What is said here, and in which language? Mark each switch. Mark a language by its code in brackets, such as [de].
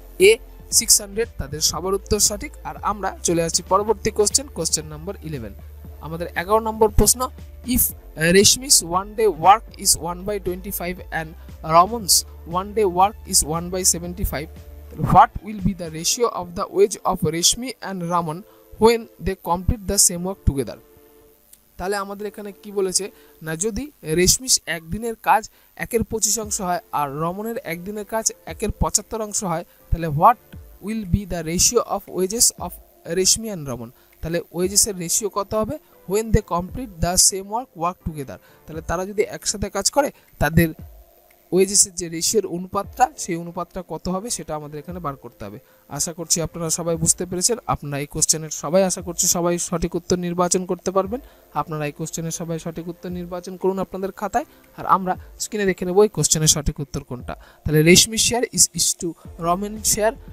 [bn] এ 600 তাদের সবার উত্তর সঠিক আর আমরা চলে আসছি পরবর্তী কোশ্চেন কোশ্চেন নম্বর 11 আমাদের 11 নম্বর প্রশ্ন if Reshmi's one day work is 1/25 and রমন্স one day work is 1/75 [en] What will be the ratio of the wage of Reshmi and Raman when they complete the same work together? [bn] তাহলে আমাদের এখানে কি বলেছে না যদি রেশমিস একদিনের কাজ 1/25 হয় আর রমনের একদিনের কাজ 1/75 হয় তাহলে [en] what will be the ratio of wages of Reshmi and Raman? [bn] তাহলে ওয়েজেসের রেশিও কত হবে [en] when they complete the same work work together? [bn] তাহলে তারা যদি একসাথে কাজ করে তাদের ওয়েজেসের যে রেশিওর অনুপাতটা সেই অনুপাতটা কত হবে সেটা আমাদের এখানে বার করতে হবে আশা করছি আপনারা সবাই বুঝতে পেরেছেন আপনারা এই কোশ্চেনের সবাই আশা করছি সবাই সঠিক উত্তর নির্বাচন করতে পারবেন আপনারা এই কোশ্চেনের সবাই সঠিক উত্তর নির্বাচন করুন আপনাদের খাতায় আর আমরা স্ক্রিনে দেখে নেব এই কোশ্চেনের সঠিক উত্তর কোনটা তাহলে রেশমি share is two Raman share